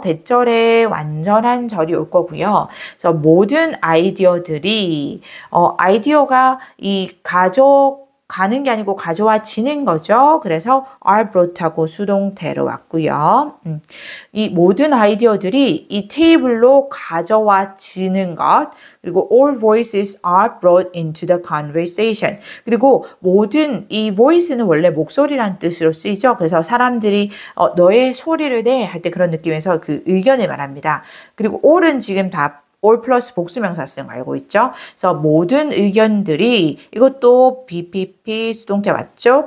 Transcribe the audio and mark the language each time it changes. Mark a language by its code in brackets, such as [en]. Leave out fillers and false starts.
[ko] 대절에 완전한 절이 올 거고요. 그래서 모든 아이디어들이, 아이디어가 이 가족, 가는 게 아니고 가져와지는 거죠. 그래서 are brought하고 수동태로 왔고요. 이 모든 아이디어들이 이 테이블로 가져와지는 것. 그리고 [en] all voices are brought into the conversation. [ko] 그리고 모든 이 voice는 원래 목소리란 뜻으로 쓰이죠. 그래서 사람들이 너의 소리를 내할때 그런 느낌에서 그 의견을 말합니다. 그리고 all은 지금 다 all 플러스 복수명사 쓰는 거 알고 있죠? 그래서 모든 의견들이 이것도 BPP 수동태 맞죠?